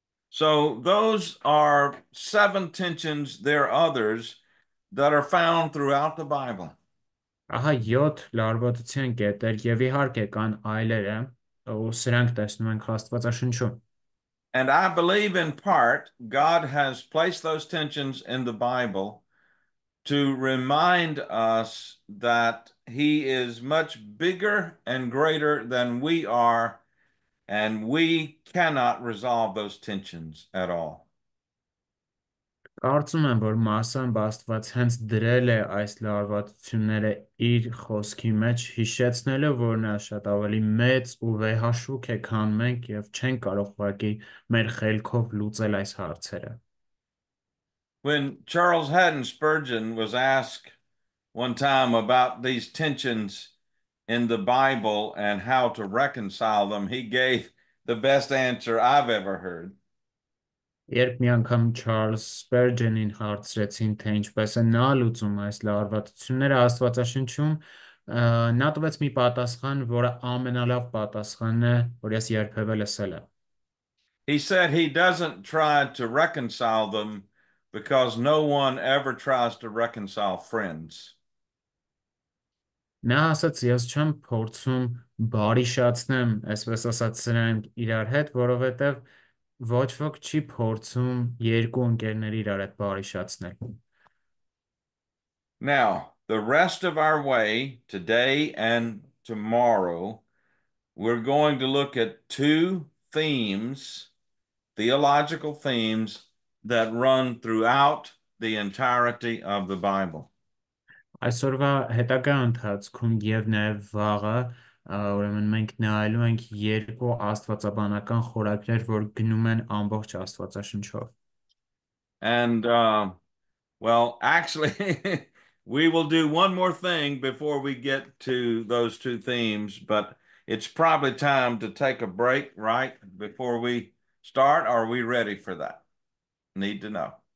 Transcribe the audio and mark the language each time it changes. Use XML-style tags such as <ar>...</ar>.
<en>So those are seven tensions. There are others that are found throughout the Bible.</en> <hy>Ահա 7 լարվածության կետեր եւ իհարկե կան այլերը, ու սրանք տեսնում ենք Աստվածաշնչում.</hy> <en>And I believe in part God has placed those tensions in the Bible to remind us that he is much bigger and greater than we are, and we cannot resolve those tensions at all.</en> <hy>Կարծում եմ, որ մասամբ Աստված հենց դրել է այս լարվածությունները իր խոսքի մեջ, հիշեցնելով, որ նա շատ ավելի մեծ ու վեհաշուկ է, քան մենք, եւ չեն կարող ուղղակի մեր խելքով լուծել այս հարցերը.</hy> <en>When Charles Haddon Spurgeon was asked one time about these tensions in the Bible and how to reconcile them, he gave the best answer I've ever heard.</en> <hy>Երբ մի անգամ Charles Spurgeon-ին հարցրեցին, թե ինչպես է նա լուծում այս լարվածությունները Աստվածաշնչում, նա տվեց մի պատասխան, որը ամենալավ պատասխանն է, որ ես երբևէ լսել եմ.</hy> <en>He said he doesn't try to reconcile them, because no one ever tries to reconcile friends.</en> <hy>Նա ասաց, ես չեմ փորձում բարիշացնեմ, այսպես ասած, սրանք իրար հետ, որովհետև ոչ ոք չի փորձում երկու ընկերներ իրար հետ բարիշացնել.</hy> <en>Now, the rest of our way today and tomorrow, we're going to look at two themes, theological themes, that run throughout the entirety of the Bible.</en> <hy>Այսօրվա հետագա ընթացքում եւ նաեւ վաղը, ուրեմն մենք նայելու ենք երկու աստվածաբանական խորագրեր, որ գնում են ամբողջ աստվածաշնչով.</hy> <en>And well, actually we will do one more thing before we get to those two themes, but it's probably time to take a break, right? Before we start, are we ready for that? Need to know.</en>